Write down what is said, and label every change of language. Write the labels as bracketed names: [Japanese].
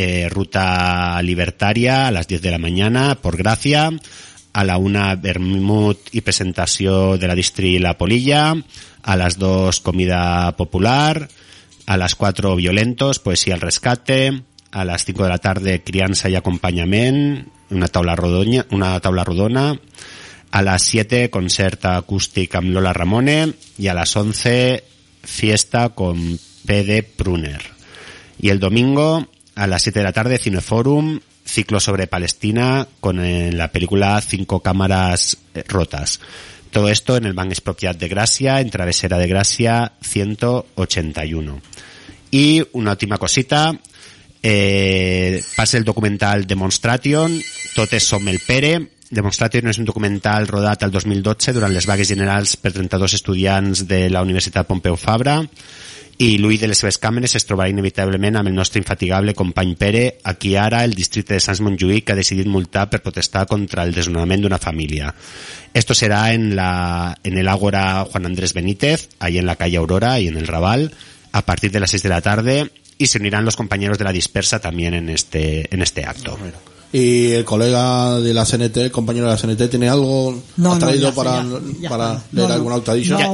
[Spanish] ruta libertaria a las 10 de la mañana por Gràcia, a la 1 vermut y presentación de la distri La Polilla, a las 2 comida popular, a las 4 violentos, poesía al rescate, a las 5 de la tarde crianza y acompañament, [Catalan] una taula rodona, [Spanish] a las 7 concerta acústica amb Lola Ramone y a las 11 fiesta con P.D. Pruner. Y el domingo a las 7 de la tarde Cineforum, ciclo sobre Palestina con la película 5 cámaras rotas. Todo esto en el Banc Expropiat de Gràcia, en Travesera de Gràcia 181. Y una última cosita, pase el documental Demonstration, Totes som el Pere, [Catalan] Demonstratio no és un documental rodat al 2012 durant les vagues generals per 32 estudiants de la Universitat Pompeu Fabra, i l'ull de les seves càmeres es trobarà inevitablement amb el nostre infatigable company Pere, a qui ara el districte de Sants Montjuïc ha decidit multar per protestar contra el desnonament d'una família. [Spanish] Esto serà en l'Àgora Juan Andrés Benítez, ahí en la calle Aurora i en el Raval, [Catalan] a partir de les 6 [Spanish] de la tarde, y se unirán los compañeros de la dispersa también en este acto. Y el colega de la CNT, el compañero de la CNT, ¿tiene algo traído para leer alguna octadilla?